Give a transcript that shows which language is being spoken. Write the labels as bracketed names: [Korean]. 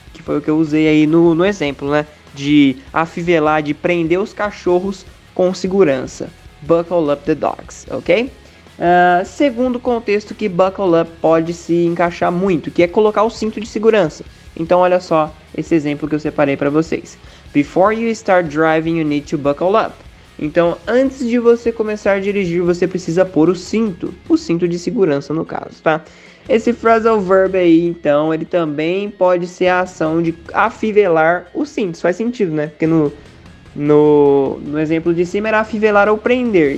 [Portuguese] Que foi o que eu usei aí no exemplo, né? De afivelar, de prender os cachorros com segurança. [English] Buckle up the dogs, [Portuguese] ok? Segundo contexto que buckle up pode se encaixar muito, que é colocar o cinto de segurança. Então, olha só esse exemplo que eu separei para vocês. [English] Before you start driving, you need to buckle up. [Portuguese] Então, antes de você começar a dirigir, você precisa pôr o cinto de segurança no caso, tá? Esse phrasal verb aí, então, ele também pode ser a ação de afivelar o cinto. Isso faz sentido, né? Porque no exemplo de cima era afivelar ou prender.